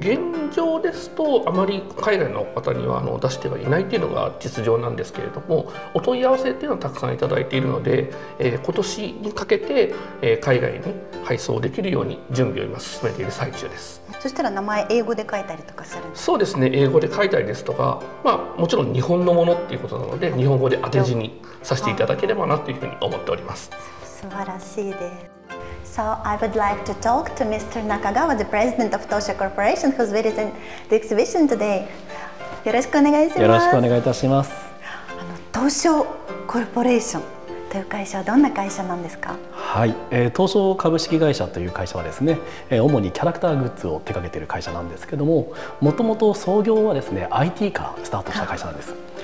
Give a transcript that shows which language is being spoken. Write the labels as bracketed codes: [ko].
[ja] 現状ですとあまり海外の方には出してはいないっていうのが実情なんですけれども、お問い合わせっていうのはたくさんいただいているので、今年にかけて、海外に配送できるように準備を今進めている最中です。そしたら名前英語で書いたりとかするんですか。そうですね、英語で書いたりですとか、まあ、もちろん日本のものっていうことなので日本語で当て字にさせていただければなというふうに思っております。素晴らしいです。 [en] So I would like to talk to Mr. Nakagawa, the president of Tosho Corporation, who's visiting the exhibition today. [ja] よろしくお願いします。よろしくお願いいたします。 Tosho Corporation という会社はどんな会社なんですか。はい、Tosho株式会社という会社はですね、主にキャラクターグッズを手掛けている会社なんですけども、もともと創業はですね、IT からスタートした会社なんです。